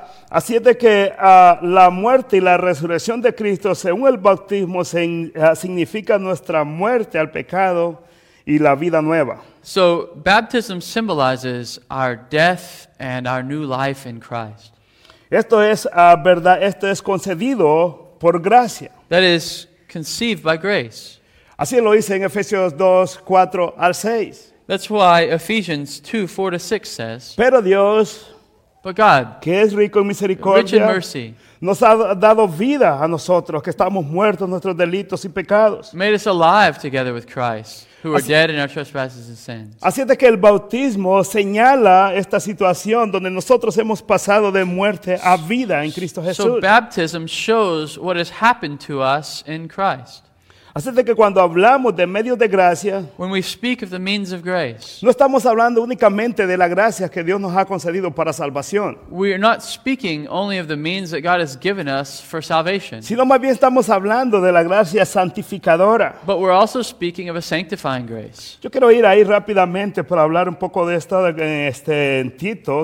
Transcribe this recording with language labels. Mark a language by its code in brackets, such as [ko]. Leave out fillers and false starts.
[es] Así es de que la muerte y la resurrección de Cristo, según el bautismo, significa nuestra muerte al pecado y la vida nueva. [en] So, baptism symbolizes our death and our new life in Christ. [es] Esto es verdad, esto es concedido por gracia. [en] That is conceived by grace. [es] Así lo dice en Efesios 2, 4 al 6. [en] That's why Ephesians 2, 4 to 6 says, [es] pero Dios, [en] but God, [es] que es rico en misericordia, [en] rich in mercy, [es] nos ha dado vida a nosotros, que estamos muertos en nuestros delitos y pecados. [en] Made us alive together with Christ, who are dead in our trespasses and sins. [es] Así es que el bautismo señala esta situación donde nosotros hemos pasado de muerte a vida en Cristo Jesús. [en] So baptism shows what has happened to us in Christ. [es] Así es que cuando hablamos de medios de gracia, [en] when we speak of the means of grace, [es] no estamos hablando únicamente de la gracia que Dios nos ha concedido para salvación. [en] We are not speaking only of the means that God has given us for salvation. [es] Sino más bien estamos hablando de la gracia santificadora. [en] But we're also speaking of a sanctifying grace. [es] Yo quiero ir ahí rápidamente para hablar un poco de esto en Tito.